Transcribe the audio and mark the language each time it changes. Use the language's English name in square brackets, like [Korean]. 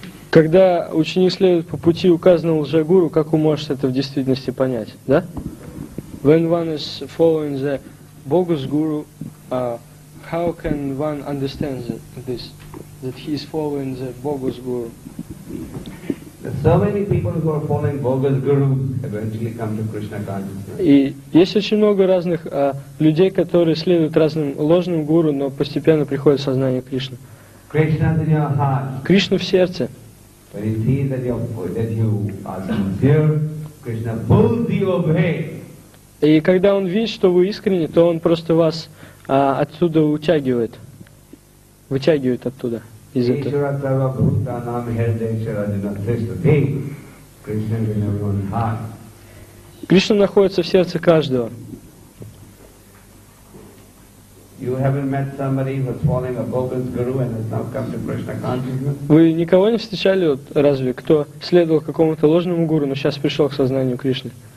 [Russian] Когда ученик следует по пути, указанному лжегуру, как вы можете это в действительности понять, да? [English] When one is following the bogus guru, how can one understand this, that he is following the bogus guru? So many people who are following bogus guru eventually come to Krishna consciousness. [Russian] И есть очень много разных людей, которые следуют разным ложным гуру, но постепенно приходят в сознание Кришны. [English] Krishna in your heart. [Russian] Кришна в сердце. [English] When he sees that you are sincere, Krishna pulls you away. [Russian] И когда он видит, что вы искренне, то он просто вас оттуда утягивает, вытягивает оттуда из этого. [Sanskrit] Ishvara Sarva Bhuta Nam Hirde Ishvara Dinatrishti. [English] Krishna in everyone's heart. [Russian] Кришна находится в сердце каждого. [English] You haven't met somebody who's following a bogus guru and has now come to Krishna consciousness? [Russian] Вы никого не встречали, вот, разве, кто следовал какому-то ложному гуру, но сейчас пришел к сознанию Кришны?